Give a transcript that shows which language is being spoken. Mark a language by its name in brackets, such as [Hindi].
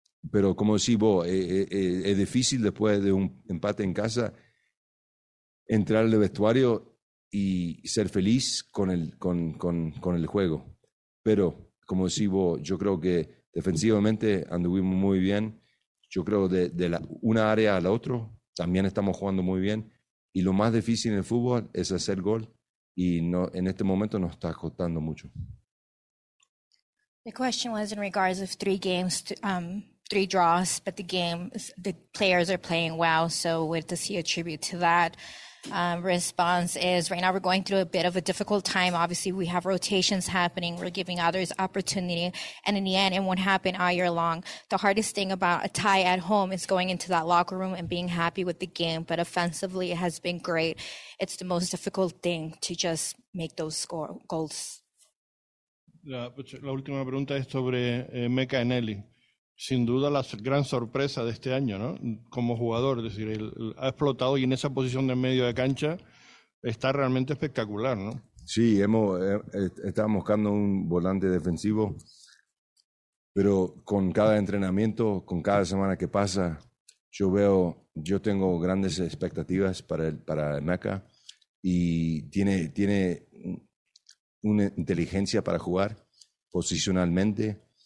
[Spanish] Pero como decís vos, es difícil después de un empate en casa entrar al vestuario y ser feliz con el juego. Pero, como decís vos, yo creo que defensivamente anduvimos muy bien. Yo creo que de una área a la otra también estamos jugando muy bien. Y lo más difícil en el fútbol es hacer gol. Y no, en este momento nos está costando mucho. [English] The question was in regards of three games, three draws, but the game, the players are playing well. So what does he attribute to that? Response is right now we're going through a bit of a difficult time. Obviously, we have rotations happening. We're giving others opportunity. And in the end, it won't happen all year long. The hardest thing about a tie at home is going into that locker room and being happy with the game. But offensively, it has been great. It's the most difficult thing to just make those score goals. [Spanish] La última pregunta es sobre Meca Eneli. Sin duda la gran sorpresa de este año, ¿no? Como jugador, es decir, él ha explotado y en esa posición de medio de cancha está realmente espectacular, ¿no? Sí, estamos buscando un volante defensivo, pero con cada entrenamiento, con cada semana que pasa, yo tengo grandes expectativas para Meca y tiene una inteligencia para jugar posicionalmente.